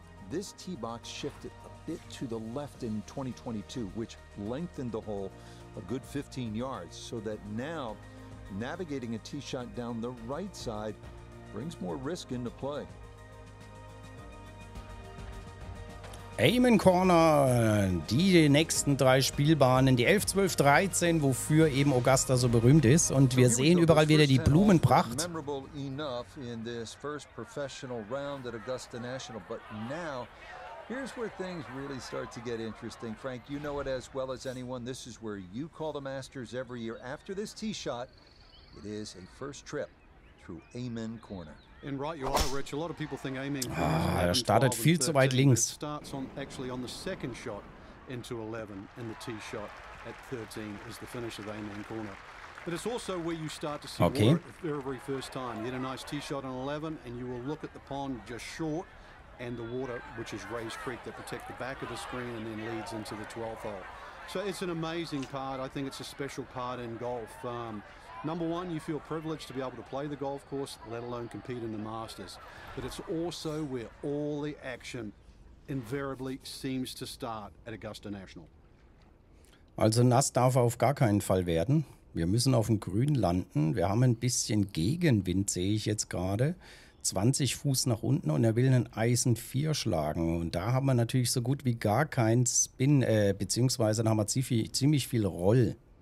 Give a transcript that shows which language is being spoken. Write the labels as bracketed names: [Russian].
[English] This tee box shifted a bit to the left in 2022, which lengthened the hole a good 15 yards, so that now navigating a tee shot down the right side brings more risk into play. [German] Eamon Corner, die nächsten drei Spielbahnen, die 11, 12, 13, wofür eben Augusta so berühmt ist. Und wir sehen überall wieder die Blumenpracht. [English] Memorable enough in this first professional round at Augusta National. But now, here's where things really start to get interesting. Frank, you know it as well as anyone. This is where you call the Masters every year. After this tee shot, it is a first trip through Eamon Corner. And right you are, Rich. A lot of people think aiming. [German] Er startet viel zu weit links. [English] Starts on actually on the second shot into 11, and the tee shot at 13 is the finish of aiming corner. But it's also where you start to see okay. Water the very first time. You get a nice tee shot on 11, and you will look at the pond just short, and the water, which is Rays Creek, that protect the back of the screen and then leads into the 12th hole. So it's an amazing part. I think it's a special part in golf. Number one, you feel privileged to be able to play the golf course, let alone compete in the Masters. But it's also where all the action invariably seems to start at Augusta National. [German] Also nass darf er auf gar keinen Fall werden. Wir müssen auf dem Grün landen. Wir haben ein bisschen Gegenwind, sehe ich jetzt gerade. 20 Fuß nach unten und er will einen Eisen 4 schlagen. Und da haben wir natürlich so gut wie gar keinen Spin, beziehungsweise da haben wir ziemlich viel Roll.